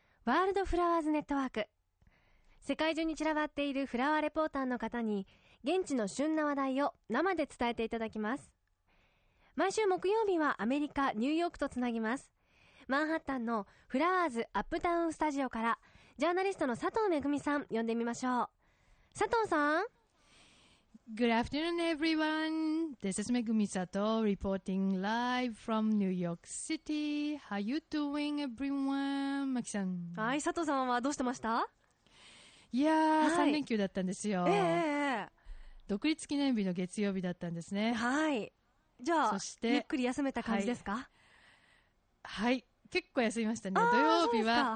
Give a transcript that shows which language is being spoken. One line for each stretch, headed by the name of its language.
Japanese: ワールドフラワーズネットワーク。世界中に散らばっているフラワーレポーターの方に現地の旬な話題を生で伝えていただきます。毎週木曜日はアメリカ・ニューヨークとつなぎます。マンハッタンのフラワーズアップタウンスタジオからジャーナリストの佐藤めぐみさん呼んでみましょう。佐藤さん。
English: Good afternoon everyone. This is Megumi Sato reporting live from New York City. How you doing everyone? マキさん。
Japanese: はい、佐藤さんはどうしてました？いやー、はい、3連休だったんですよ。独立記念日の月曜日だったんですね。はい。じゃあ、そしてゆっくり休めた感じですか？はい。はい、結構休みましたね。土曜日は、